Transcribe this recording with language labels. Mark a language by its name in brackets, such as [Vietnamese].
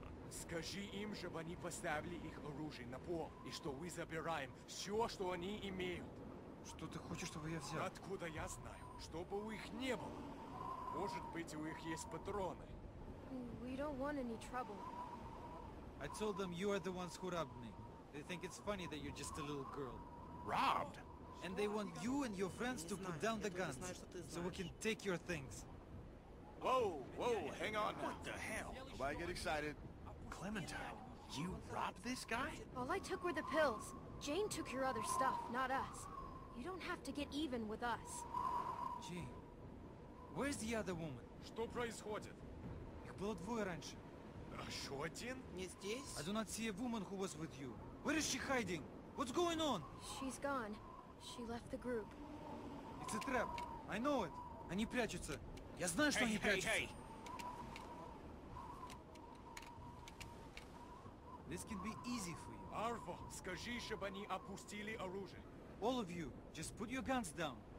[Russian] Скажи им, чтобы они поставили их оружие на пол, и что мы забираем все, что они имеют. Что ты хочешь, чтобы я взял? Откуда я знаю? Чтобы у их не было. Может быть, у их есть патроны. [English] We don't want any trouble. I told them you are the ones who robbed me. They think it's funny that you're just a little girl. Robbed? And they want you and your friends to put down the guns, so we can take your things. Whoa, hang on now. What the hell? Why get excited? Clementine, you robbed this guy? All I took were the pills. Jane took your other stuff, not us. You don't have to get even with us. Jane, where's the other woman? [Russian] Что происходит? Их было двое раньше. Еще один? Не здесь. [English] I do not see a woman who was with you. Where is she hiding? What's going on? She's gone. She left the group. It's a trap. I know it. [Russian] Они прячутся. Я знаю, что они прячутся. [English] Hey. This can be easy for you. [Russian] Arvo, скажи, чтобы они опустили оружие. [English] All of you, just put your guns down.